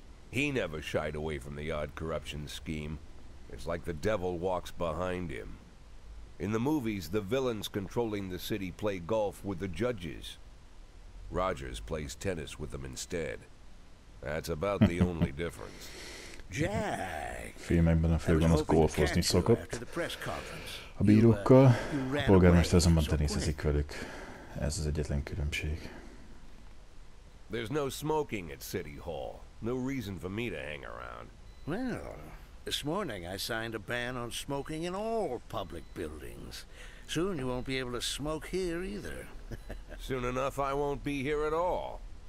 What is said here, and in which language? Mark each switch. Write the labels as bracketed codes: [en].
[en] He never shied away from the odd corruption scheme. It's like the devil walks behind him. In the movies, the villains controlling the city play golf with the judges. Rogers plays tennis with them instead. That's about the only difference. Jack! [hu] Filmekben a főgonosz golfozni szokott a bírókkal, a polgármester azonban teniszezik velük. Ez az egyetlen különbség. [en] There's no smoking at City Hall. No reason for me to hang around. Well, this morning I signed a ban on smoking in all public buildings. Soon you won't be able to smoke here either. Soon enough I won't be here at all.